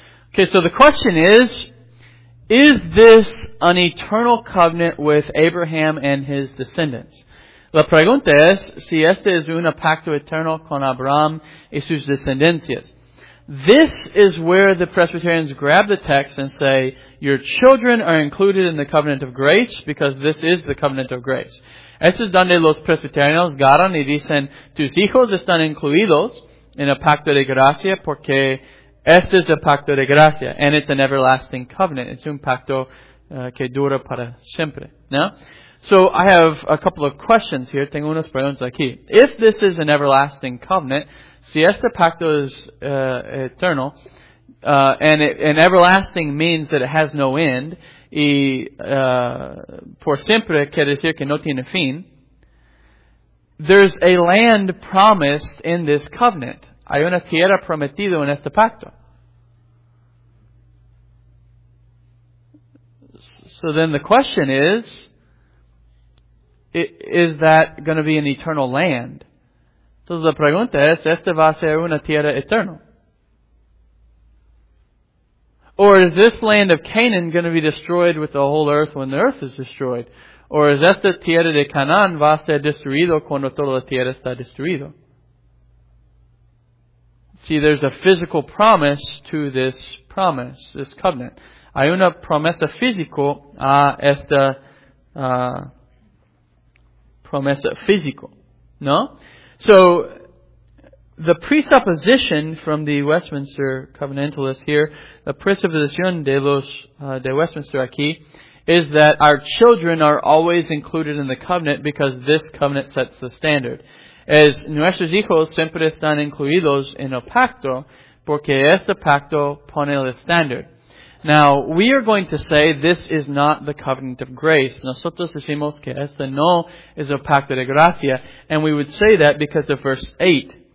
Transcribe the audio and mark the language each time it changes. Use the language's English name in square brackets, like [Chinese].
[English] Okay, so the question is this an eternal covenant with Abraham and his descendants? [Spanish] La pregunta es, si este es un pacto eterno con Abraham y sus descendencias. [English] This is where the Presbyterians grab the text and say, your children are included in the covenant of grace because this is the covenant of grace. [Spanish] Esto es donde los Presbyterianos agarran y dicen, tus hijos están incluidos en el pacto de gracia porque este es el pacto de gracia, [English] and it's an everlasting covenant. [Spanish] It's un pacto que dura para siempre. No? [English] So I have a couple of questions here. [Spanish] Tengo unas preguntas aquí. [English] If this is an everlasting covenant, [Spanish] si este pacto es eterno, [English] and everlasting means that it has no end, [Spanish] y por siempre quiere decir que no tiene fin, [English] there's a land promised in this covenant. [Spanish] Hay una tierra prometida en este pacto. [English] So then the question is that going to be an eternal land? [Spanish] Entonces la pregunta es, ¿este va a ser una tierra eterna? [English] Or is this land of Canaan going to be destroyed with the whole earth when the earth is destroyed? Or is [Spanish] esta tierra de Canaan va a ser destruido cuando toda la tierra está destruida? [English] See, there's a physical promise to this promise, this covenant. [Spanish] Hay una promesa físico a esta promesa físico, ¿no? [English] So, the presupposition from the Westminster Covenantalists here, the [Spanish] presupposición de los de Westminster aquí, [English] is that our children are always included in the covenant because this covenant sets the standard. [Spanish] Es nuestros hijos siempre están incluidos en el pacto porque este pacto pone el standard. [English] Now, we are going to say this is not the covenant of grace. [Spanish] Nosotros decimos que este no es el pacto de gracia. [English] And we would say that because of verse 8.